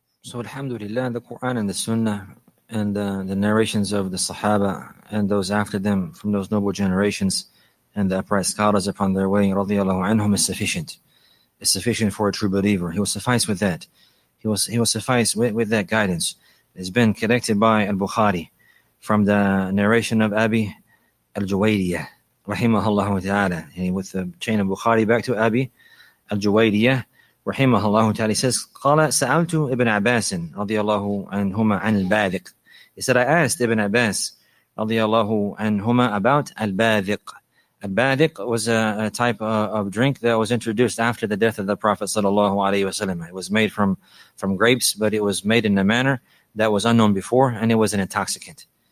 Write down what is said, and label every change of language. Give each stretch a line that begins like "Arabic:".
English: So alhamdulillah, the Quran and the Sunnah and the narrations of the Sahaba and those after them from those noble generations and the upright scholars upon their way, radiyallahu anhum, is sufficient. It's sufficient for a true believer. He will suffice with that. He will suffice with that guidance. It's been collected by al-Bukhari from the narration of Abi al-Juwayriyah, rahimahullahu ta'ala. And with the chain of Bukhari back to Abi al-Juwayriyah,
Arabic: رحمه الله تعالى
English: says,
Arabic: قال سألت ابن عباس رضي الله عنهما عن الباذق.
English: He said, I asked Ibn Abbas رضي الله عنهما about الباذق. الباذق was a type of drink that was introduced after the death of the Prophet صلى الله عليه وسلم. It was made from grapes, but it was made in a manner that was unknown before, and it was an intoxicant.